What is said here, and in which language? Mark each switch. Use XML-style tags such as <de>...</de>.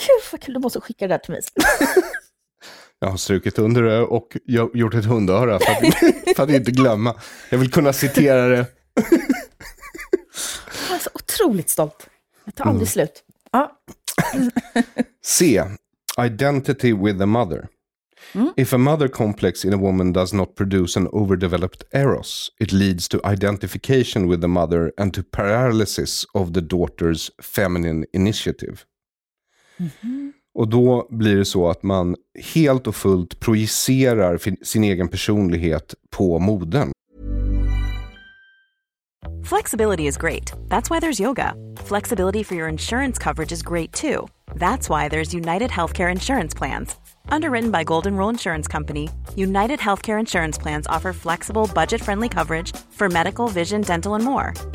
<sv>Vad kul, du måste skicka det där till mig. Jag har strukit under det och jag gjort ett hundöra för att inte glömma. Jag vill kunna citera det. Jag är så otroligt stolt. Jag tar aldrig slut. Ja. C.</sv> <en>Identity with the mother. If a mother complex in a woman does not produce an overdeveloped eros, it leads to identification with the mother and to paralysis of the daughter's feminine initiative. Mm-hmm.</en> <sv>Och då blir det så att man helt och fullt projicerar sin egen personlighet på modern.</sv> <en>Flexibility is great. That's why there's yoga. Flexibility for your insurance coverage is great too. That's why there's United Healthcare Insurance Plans. Underwritten by Golden Rule Insurance Company, United Healthcare Insurance Plans offer flexible, budget-friendly coverage for medical, vision, dental, and more.</en>